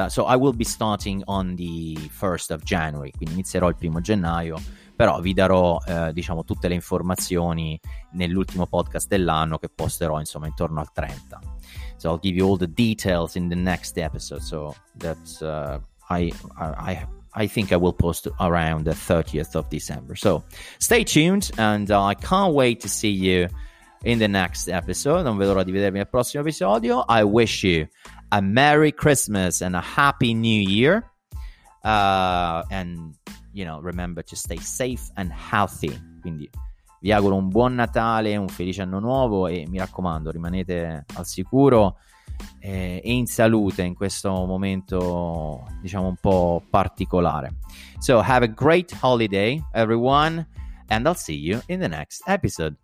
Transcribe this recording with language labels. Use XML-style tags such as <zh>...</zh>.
<en>So I will be starting on the 1st of January,</en> <it>quindi inizierò il 1 gennaio, però vi darò diciamo tutte le informazioni nell'ultimo podcast dell'anno, che posterò insomma intorno al 30.</it> <en>So I'll give you all the details in the next episode. So that's I think I will post around the 30th of December. So stay tuned, and I can't wait to see you in the next episode.</en> <it>Non vedo l'ora di vedervi nel prossimo episodio.</it> <en>I wish you a Merry Christmas and a Happy New Year. And, you know, remember to stay safe and healthy.</en> <it>Quindi vi auguro un buon Natale, un felice anno nuovo, e mi raccomando, rimanete al sicuro e in salute in questo momento, diciamo, un po' particolare.</it> <en>So have a great holiday, everyone, and I'll see you in the next episode.</en>